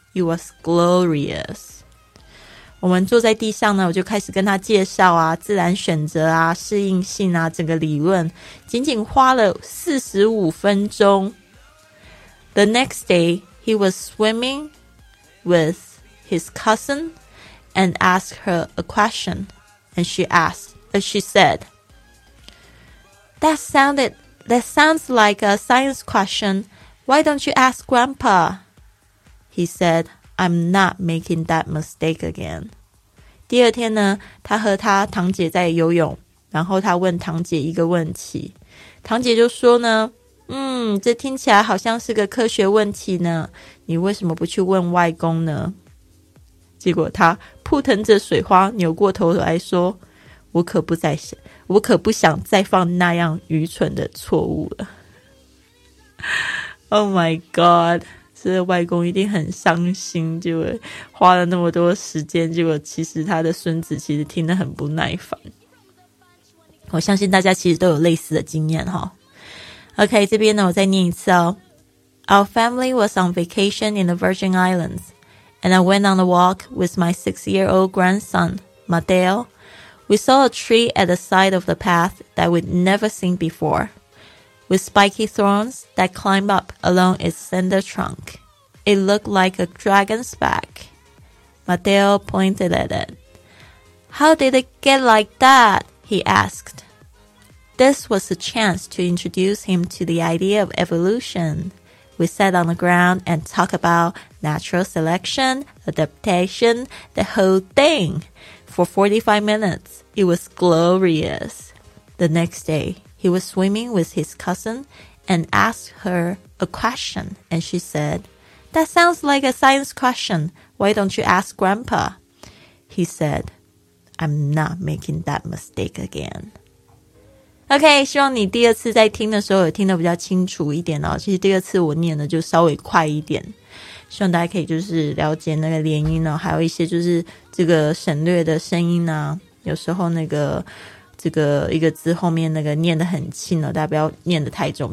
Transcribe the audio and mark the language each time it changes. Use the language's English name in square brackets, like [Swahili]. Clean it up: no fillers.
[English] It was glorious. [Chinese] 我们坐在地上呢，我就开始跟他介绍啊，自然选择啊，适应性啊，整个理论，仅仅花了45分钟。 [English] The next day, he was swimming with his cousin and asked her a question. And she said, That sounds like a science question. Why don't you ask Grandpa? He said, I'm not making that mistake again. [Chinese] 第二天呢，他和他堂姐在游泳，然后他问堂姐一个问题。堂姐就说呢，这听起来好像是个科学问题呢，你为什么不去问外公呢？结果他扑腾着水花，扭过头来说，我可不想再犯那样愚蠢的错误了。 [English] Oh my god, [Chinese] 这外公一定很伤心，就花了那么多时间，结果其实他的孙子其实听得很不耐烦。我相信大家其实都有类似的经验。 OK, 这边呢我再念一次哦。 [English] Our family was on vacation in the Virgin Islands, and I went on a walk with my 6-year-old grandson, Mateo. We saw a tree at the side of the path that we'd never seen before, with spiky thorns that climb up along its slender trunk. It looked like a dragon's back. Mateo pointed at it. How did it get like that? He asked. This was a chance to introduce him to the idea of evolution. We sat on the ground and talked about natural selection, adaptation, the whole thing. For 45 minutes, it was glorious. The next day, he was swimming with his cousin and asked her a question. And she said, That sounds like a science question. Why don't you ask Grandpa? He said, I'm not making that mistake again. [Chinese] OK, 希望你第二次在听的时候有听得比较清楚一点哦。其实第二次我念的就稍微快一点。希望大家可以就是了解那个连音哦，还有一些就是这个省略的声音啊，有时候那个这个一个字后面那个念得很轻哦，大家不要念得太重。